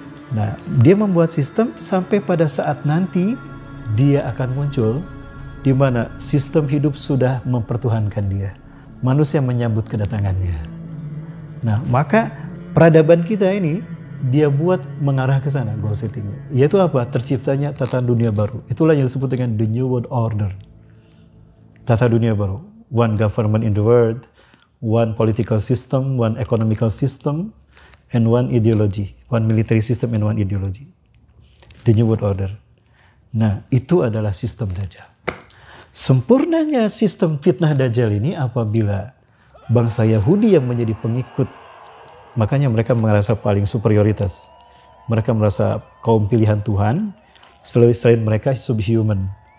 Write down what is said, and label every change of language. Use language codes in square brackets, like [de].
[id] Nah, dia membuat sistem sampai pada saat nanti dia akan muncul di mana sistem hidup sudah mempertuhankan dia. Manusia menyambut kedatangannya. Nah, maka peradaban kita ini dia buat mengarah ke sana goal settingnya. Yaitu apa? Terciptanya tatanan dunia baru. Itulah yang disebut dengan The New World Order. Tata dunia baru. [en] one government in the world, one political system, one economical system, and one ideology, one military system and one ideology. The New World Order. [id] Nah, itu adalah sistem Dajjal. Sempurnanya sistem fitnah Dajjal ini apabila bangsa Yahudi yang menjadi pengikut, makanya mereka merasa paling superioritas. Mereka merasa kaum pilihan Tuhan, selain mereka subhuman.